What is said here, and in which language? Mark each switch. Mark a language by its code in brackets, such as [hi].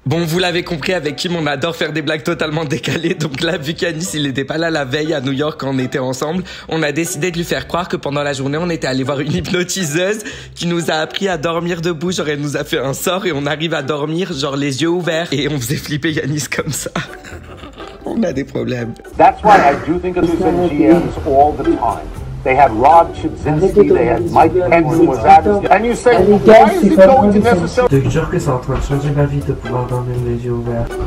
[fr] Bon, vous l'avez compris, avec Kim, on adore faire des blagues totalement décalées. Donc là, vu qu'Anis, il n'était pas là la veille à New York quand on était ensemble, on a décidé de lui faire croire que pendant la journée, on était allé voir une hypnotiseuse qui nous a appris à dormir debout. Genre, elle nous a fait un sort et on arrive à dormir, genre, les yeux ouverts. Et on faisait flipper Yanis comme ça. On a des problèmes. [en] That's why I do think of these GMs all the time. They had Rod Chudzinski, they had Mike Pence, who was at his... And you say, why is it going to necessarily... [fr] Je te jure que c'est en train de changer ma vie de pouvoir dormir les yeux ouverts.